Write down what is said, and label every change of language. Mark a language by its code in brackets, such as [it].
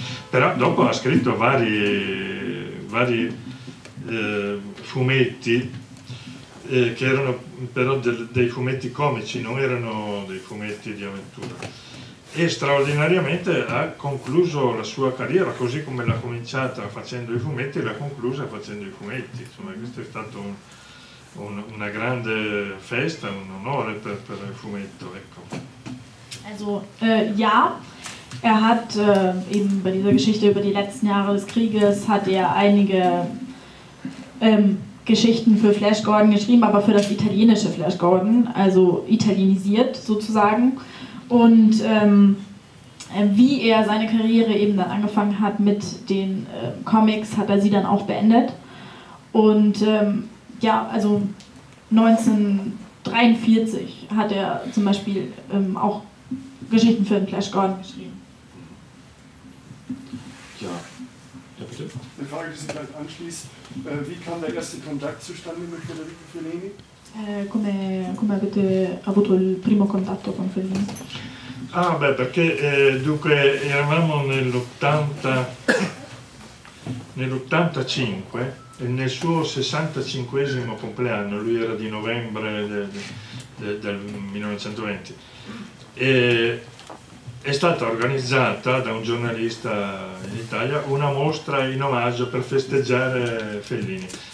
[it] Però dopo ha scritto vari fumetti, che erano però dei fumetti comici, non erano dei fumetti di avventura. E straordinariamente ha concluso la sua carriera, così come l'ha cominciata facendo i fumetti, l'ha conclusa facendo i fumetti. Insomma, questo è stato una grande festa, un onore per il fumetto, ecco. [de] Also, ja, er hat eben bei dieser Geschichte über die letzten Jahre des Krieges hat er einige Geschichten für Flash Gordon geschrieben, aber für das italienische Flash Gordon, also italienisiert sozusagen. Und wie er seine Karriere eben dann angefangen hat mit den Comics, hat er sie dann auch beendet. Und ja, also 1943 hat er zum Beispiel auch Geschichten für den Flash Gordon geschrieben. Ja, bitte. Eine Frage, die sich gleich anschließt. Wie kam der erste Kontakt zustande mit Federico Fellini? [it] Come avete avuto il primo contatto con Fellini? Ah, beh, perché dunque eravamo nell'85, e nel suo 65esimo compleanno, lui era di novembre del 1920, e è stata organizzata da un giornalista in Italia una mostra in omaggio per festeggiare Fellini.